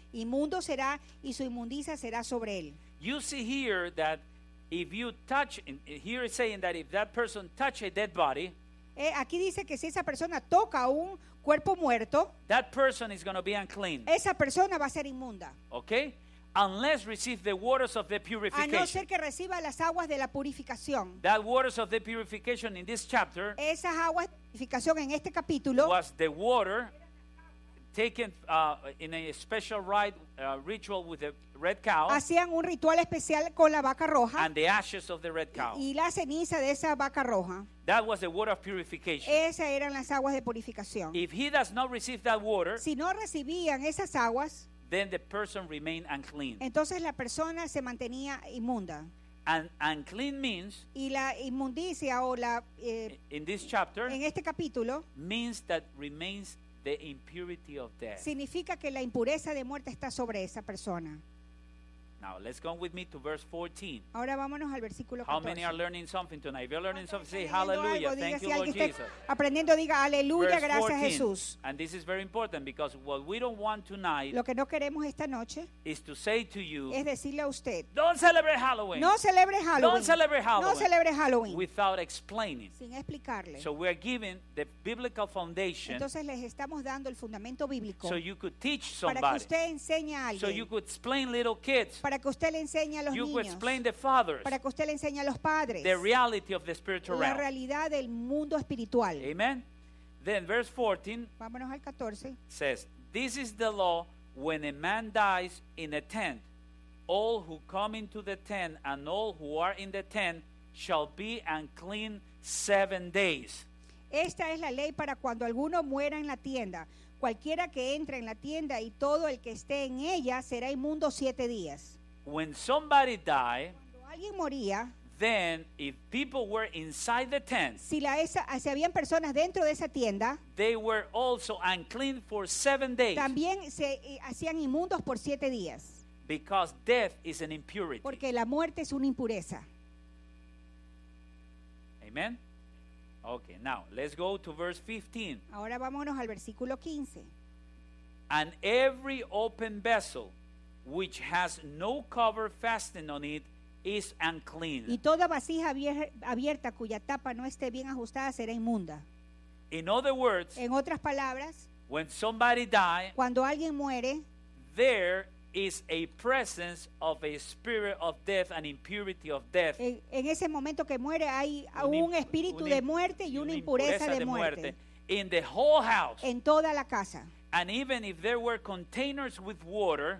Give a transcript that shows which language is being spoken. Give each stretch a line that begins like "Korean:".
Spanish: Inmundo será y su inmundicia será sobre él.
English: You see here that if you touch, here it's saying that if that person touch a dead body,
Spanish: aquí dice que si esa persona toca un cuerpo muerto,
English: that person is going to be unclean.
Spanish: Esa persona va a ser inmunda.
English: Okay? Unless receive the waters of the purification.
Spanish: A no ser que reciba las aguas de la purificación.
English: That waters of the purification in this chapter,
Spanish: esas aguas de purificación en este capítulo,
English: was the water taken in a special rite, ritual with the red cow.
Spanish: Hacían un ritual especial con la vaca roja.
English: And the ashes of the red cow.
Spanish: Y la ceniza de esa vaca roja.
English: That was the water of purification.
Spanish: Esas eran las aguas de purificación.
English: If he does not receive that water,
Spanish: si no recibían esas aguas,
English: then the person remained unclean.
Spanish: Entonces la persona se mantenía inmunda.
English: And unclean means,
Spanish: y la inmundicia o la,
English: in this chapter,
Spanish: en este capítulo,
English: means that remains the impurity of death.
Spanish: Significa que la impureza de muerte está sobre esa persona.
English: Now let's go with me to verse 14.
Spanish: Ahora vámonos al versículo 14.
English: How many are learning something tonight? If you're learning something, say hallelujah.
Spanish: Algo,
English: thank
Spanish: si
English: you, Lord Jesus.
Spanish: Aprendiendo, diga aleluya, gracias, Jesús.
English: And this is very important because what we don't want tonight,
Spanish: lo que no queremos esta noche,
English: is to say to you,
Spanish: es decirle a usted,
English: don't celebrate Halloween.
Spanish: No celebre Halloween.
English: Don't celebrate Halloween.
Spanish: No celebre Halloween.
English: Without explaining.
Spanish: Sin explicarle.
English: So we are giving the biblical foundation.
Spanish: Entonces les estamos dando el fundamento bíblico.
English: So you could teach somebody.
Spanish: Para que usted enseñe a alguien.
English: So you could explain little kids.
Spanish: Para que usted le enseñe a los
English: you
Spanish: niños.
English: Explain the fathers,
Spanish: para que usted le enseñe a los padres.
English: The reality of the spiritual realm.
Spanish: La realidad del mundo espiritual.
English: Amen. Then verse 14.
Spanish: Vámonos al 14.
English: Says, this is the law when a man dies in a tent. All who come into the tent and all who are in the tent shall be unclean 7 days.
Spanish: Esta es la ley para cuando alguno muera en la tienda. Cualquiera que entre en la tienda y todo el que esté en ella será inmundo 7 días.
English: When somebody died,
Spanish: cuando alguien moría,
English: then if people were inside the tent,
Spanish: si habían personas dentro de esa tienda,
English: they were also unclean for 7 days.
Spanish: También se hacían inmundos por 7 días.
English: Because death is an impurity.
Spanish: Porque la muerte es una impureza.
English: Amen. Okay, now let's go to verse 15.
Spanish: Ahora vámonos al versículo 15.
English: And every open vessel which has no cover fastened on it is unclean.
Spanish: Y toda vasija abierta cuya tapa no esté bien ajustada será inmunda.
English: In other words,
Spanish: en otras palabras,
English: when somebody dies,
Spanish: cuando alguien muere,
English: there is a presence of a spirit of death and impurity of death.
Spanish: En ese momento que muere hay un espíritu de muerte y una impureza de muerte.
English: In the whole house.
Spanish: En toda la casa.
English: And even if there were containers with water.